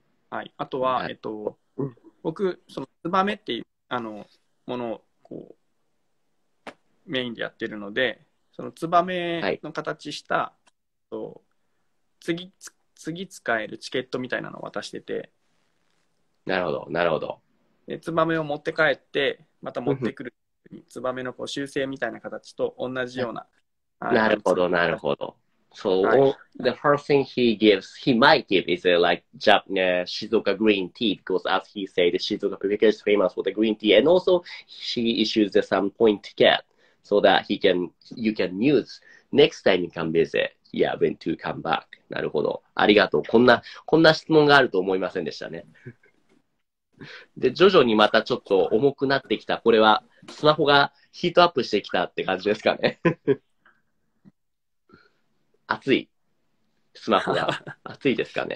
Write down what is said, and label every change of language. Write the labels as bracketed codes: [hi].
[ja] はい、あとは、はい、僕、その、ツバメっていうものをこうメインでやってるので、そのツバメの形した、はい、次使えるチケットみたいなのを渡してて。なるほど、なるほど。で、ツバメを持って帰って、また持ってくるに、ツバメのこう修正みたいな形と同じような。なるほど、なるほど。 [en] So,、はい、the first thing he gives, he might give is a, like Japanese Shizuoka green tea, because as he said, Shizuoka Prefecture is famous for the green tea, and also she issues the some point ticket so that he can, you can use next time you come visit. Yeah, when to come back. [ja] なるほど。ありがとう。こんな質問があると思いませんでしたね。で、徐々にまたちょっと重くなってきた。これは、スマホがヒートアップしてきたって感じですかね。熱い。スマホが。熱いですかね。